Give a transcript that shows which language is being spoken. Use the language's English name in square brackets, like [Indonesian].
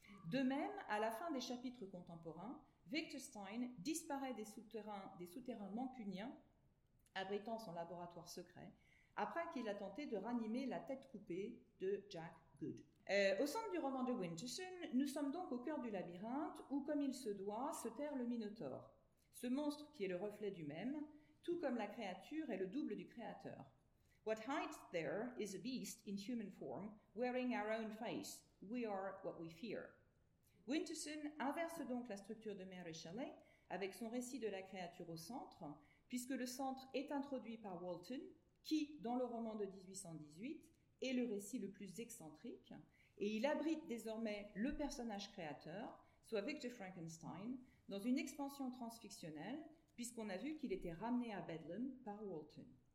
[French] De même, à la fin des chapitres contemporains, Wittgenstein disparaît des souterrains mancuniens abritant son laboratoire secret après qu'il a tenté de ranimer la tête coupée de Jack Good. Au centre du roman de Winterson, nous sommes donc au cœur du labyrinthe où, comme il se doit, se terre le Minotaure, ce monstre qui est le reflet du même, tout comme la créature est le double du créateur. [English] « What hides there is a beast in human form, wearing our own face. We are what we fear. [French] » Winterson inverse donc la structure de Mary Shelley avec son récit de la créature au centre, puisque le centre est introduit par Walton, qui, dans le roman de 1818, est le récit le plus excentrique, et il abrite désormais le personnage créateur, soit Victor Frankenstein, dans une expansion transfictionnelle, puisqu'on a vu qu'il était ramené à Bedlam par Walton.